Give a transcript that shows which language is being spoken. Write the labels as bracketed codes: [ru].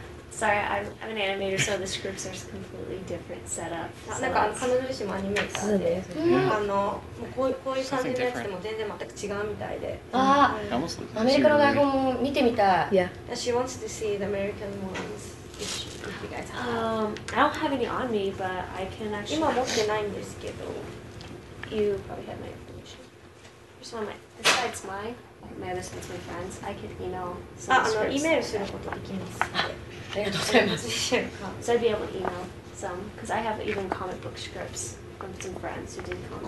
[en] Sorry, I'm an animator, so the scripts are completely different setup. [ja] なんか彼女自身もアニメーターで、あのこういう感じのやつでも全然全く違うみたいで。ああ、アメリカの台本も見てみたい。 [en] Yeah. She wants to see the American ones. If you guys have. I don't have any on me, but I can actually. [ja] 今持ってないんですけど。 [en] You probably have my information. Just one of my. Besides my, my other stuff's my friends. I can email some scripts. [ja] あの、メールすることできます。ありがとうございます。 [en] So I'd be able to email some, because I have even comic book scripts from some friends who did comic books.